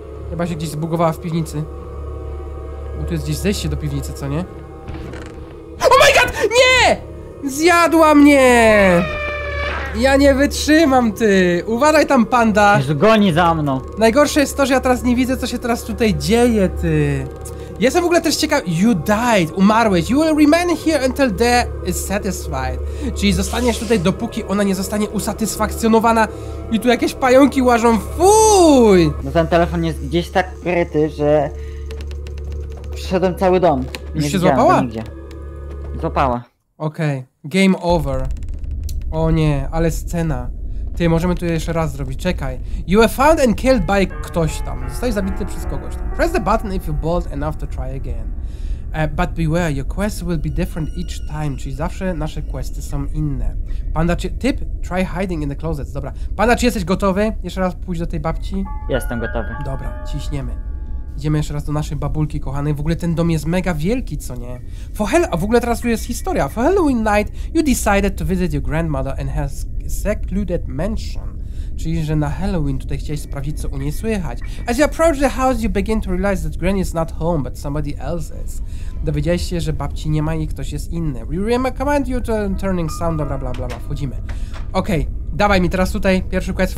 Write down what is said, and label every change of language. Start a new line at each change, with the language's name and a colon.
Polish: Chyba się gdzieś zbugowała w piwnicy. Bo tu jest gdzieś zejście do piwnicy, co nie?
English: Oh my god!
Polish: Nie! Zjadła mnie! Ja nie wytrzymam, ty! Uważaj tam, panda! Już goni za mną! Najgorsze jest to, że ja teraz nie widzę, co się teraz tutaj dzieje, ty! Jestem w ogóle też ciekaw...
English: You died!
Polish: Umarłeś!
English: You will remain here until death is satisfied!
Polish: Czyli zostaniesz tutaj, dopóki ona nie zostanie usatysfakcjonowana i tu jakieś pająki łażą, fuj! No ten telefon jest gdzieś tak kryty, że... Przyszedłem cały dom. Nie. Już się złapała? Nigdzie. Złapała. Okej, okay.
English: Game over.
Polish: O nie, ale scena. Ty, możemy tu jeszcze raz zrobić, czekaj.
English: You were found and killed by
Polish: ktoś tam. Zostałeś zabity przez kogoś tam.
English: Press the button if you're bold enough to try again. But beware, your quest will be different each time.
Polish: Czyli zawsze nasze questy są inne. Panda, czy...
English: Tip, try hiding in the closet.
Polish: Dobra. Panda, czy jesteś gotowy? Jeszcze raz pójść do tej babci? Jestem gotowy. Dobra, ciśniemy. Idziemy jeszcze raz do naszej babulki kochanej. W ogóle ten dom jest mega wielki, co nie? A w ogóle teraz tu jest historia.
English: For Halloween night, you decided to visit your grandmother and her secluded mansion.
Polish: Czyli, że na Halloween tutaj chciałeś sprawdzić, co u niej słychać.
English: As you approach the house, you begin to realize that granny is not home, but somebody else is.
Polish: Dowiedziałeś się, że babci nie ma i ktoś jest inny.
English: We recommend you to turning sound, bla bla
Polish: bla bla. Wchodzimy. Okej, okay, dawaj mi teraz tutaj pierwszy quest.